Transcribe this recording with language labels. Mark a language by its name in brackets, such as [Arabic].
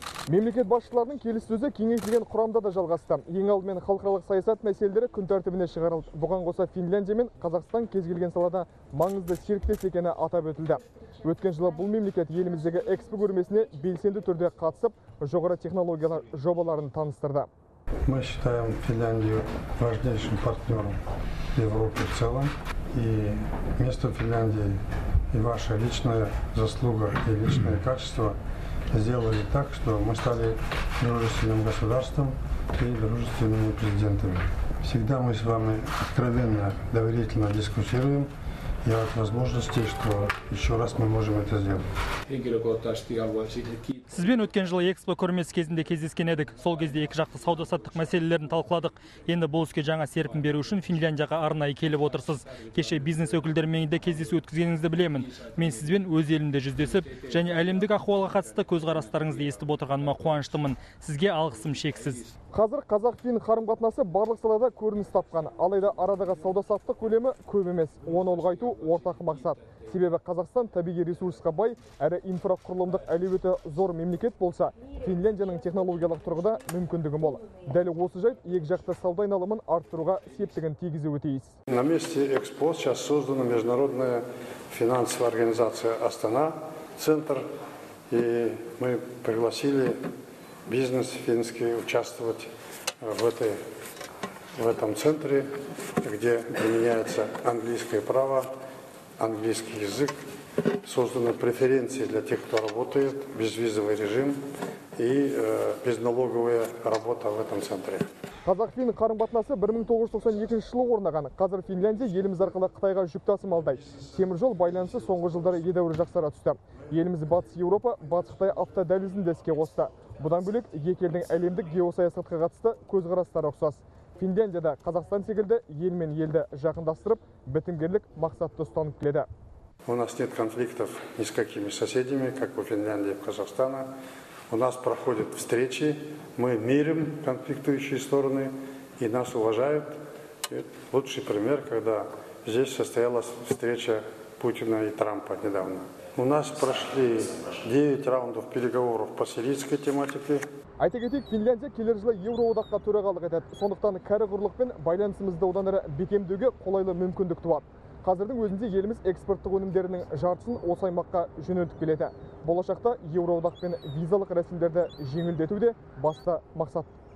[Kazakh] Мемлекет басшыларының келіссөзі кеңейтілген құрамда да жалғасты. Ең алдымен халықаралық саясат мәселелері күн тәртібіне шығарылды. Бұған қоса Финляндия мен Қазақстан кез келген салада маңызды серіктес екені атап өтілді. Өткен жылы бұл мемлекет еліміздегі экспо көрмесіне белсенді түрде қатысып, жоғары технологиялар жобаларын таныстырды. [Russian] Мы считаем Финляндию важнейшим партнером Европы в целом. И место Финляндии и ваша личная заслуга и личное качество сделали так, что мы стали дружественным государством и дружественными президентами. Всегда мы с вами откровенно, доверительно дискутируем. Я от возможности, что еще раз мы можем это сделать. [Kazakh] Сізбен өткен жылы экспо көрмесі кезінде кездескен едік. Сол кезде екі жақты сауда-саттық мәселелерін талқыладық. Енді бұл іске жаңа серпін беру үшін Финляндияға арнайы келіп отырсыз. Кеше бизнес өкілдерімен де кездесу өткізгеніңізді білемін. Мен сізбен өз елімде жүздесіп, және әлемдік ахуалға қатысты көзқарастарыңызды естіп отырғаныма қуаныштымын. Сізге алғысым шексіз. Қазір қазақ-фин қарым-қатынасы барлық салада көрініс тапқан. Алайда арадағы сауда-саттық көлемі көп емес. Оны ұлғайту ортақ мақсат. Себебі Қазақстан табиғи ресурсқа бай, әрі инфрақұрылымдық әлеуеті зор мемлекет болса, Финляндияның технологиялық тұрғыда мүмкіндігі мол. Дәл осы жайт екі жақты сауда айналымын арттыруға септігін тигізуі тиіс. [Russian] На месте Экспо сейчас создана международная финансовая организация Астана, центр, и мы пригласили бизнес финский участвовать в этом центре, где применяется английское право. Английский язык, созданы преференции для тех, кто работает, безвизовый режим и безналоговая работа в этом центре. [Kazakh] Қазақ-фин қарым-қатынасы 1992 жылы орнаған. Қазір Финляндия еліміз арқылы Қытайға жүк тасымалдай. Теміржол байланысы соңғы жылдары едәуір жақсара түсті. Еліміз батыс Еуропа, батыс Қытай автодәлізін де іске қосты. Бұдан бөлек екі елдің әлемдік геосаясатқа қатысты көзқарастары ұқсас. Финляндияда Қазақстан секілді елмен елді жақындастырып, бітімгерлік мақсатты ұстанып келеді. [Russian] У нас нет конфликтов ни с какими соседями, как у Финляндии и Казахстана. У нас проходят встречи, мы мирим конфликтующие стороны и нас уважают. Это лучший пример, когда здесь состоялась встреча Путина и Трампа недавно. У нас прошли 9 раундов переговоров по сирийской тематике. [Kazakh] Айта кетейік, Финляндия келер жылы Еуроодаққа төрағалық етеді. Сондықтан кәрі құрлықпен байланысымызды одан әрі бекемдеуге қолайлы мүмкіндік туады. Қазірдің өзінде еліміз экспорттық өнімдерінің жартысын осы аймаққа жөнелтіп келеді. Болашақта Еуроодақпен визалық рәсімдерді жеңілдету де басты мақсат.